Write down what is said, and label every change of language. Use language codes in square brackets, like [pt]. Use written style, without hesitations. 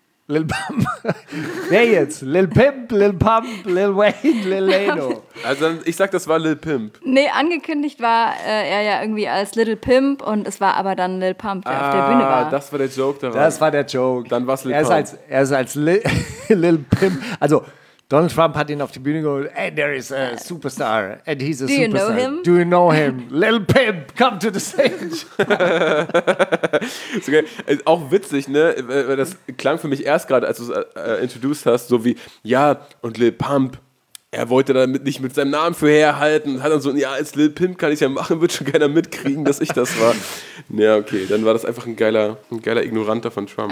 [de] Lil Pump. Wer jetzt? Lil Pimp, Lil Pump, Lil Wayne, Lil Lano. Also ich sag, das war Lil Pimp. Nee, angekündigt war er ja irgendwie als Little Pimp und es war aber dann Lil Pump, der auf der Bühne war. Das war der Joke daran. Das war der Joke. Dann war es Lil Pump. Er ist als Lil Pimp. Also Donald Trump hat ihn auf die Bühne geholt. [en] Hey, there is a superstar and he's a superstar. Do you know him? Do you know him? Lil Pimp, come to the stage. [de] Okay. Auch witzig, ne? Das klang für mich erst gerade, als du es introduced hast, so wie, ja, und Lil Pump, er wollte damit nicht mit seinem Namen für herhalten. Hat dann so, ja, als Lil Pimp kann ich ja machen, wird schon keiner mitkriegen, dass ich das war. Ja, okay, dann war das einfach ein geiler Ignoranter von Trump.